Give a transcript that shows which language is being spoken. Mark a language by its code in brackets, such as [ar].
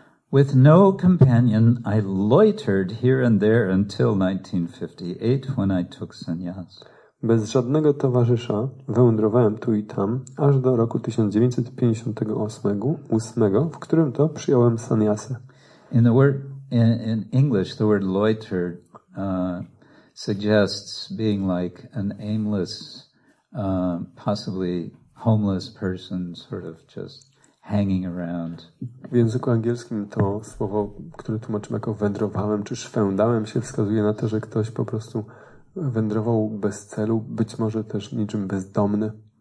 [en] With no companion, I loitered here and there until 1958, when I took sannyas. [pl] Bez żadnego towarzysza wędrowałem tu i tam, aż do roku 1958, w którym to przyjąłem sannyasę. [en] In English, the word loiter suggests being like an aimless, possibly homeless person, sort of just hanging around. [pl] W języku angielskim to słowo, które tłumaczymy jako wędrowałem czy szwędałem, się wskazuje na to, że ktoś po prostu wędrował bez celu, być może też niczym bezdomny.